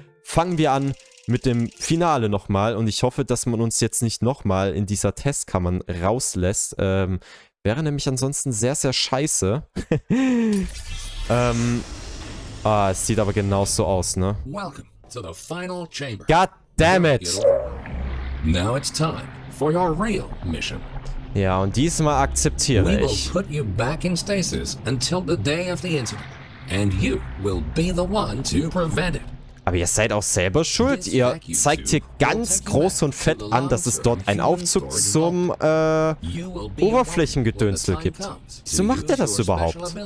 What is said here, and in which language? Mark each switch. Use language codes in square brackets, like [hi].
[de] Fangen wir an mit dem Finale nochmal und ich hoffe, dass man uns jetzt nicht nochmal in dieser Testkammer rauslässt. Wäre nämlich ansonsten sehr, sehr scheiße. es sieht aber genauso aus, ne? [en] Welcome to the final chamber. God damn it! Now it's time for your real mission. [de] Ja, und diesmal akzeptiere ich. [en] We will put you back in stasis until the day of the incident. And you will be the one to prevent it. [de] Aber ihr seid auch selber schuld. Ihr zeigt hier ganz groß und fett an, dass es dort einen Aufzug zum Oberflächengedönsel gibt. Wieso macht ihr das überhaupt?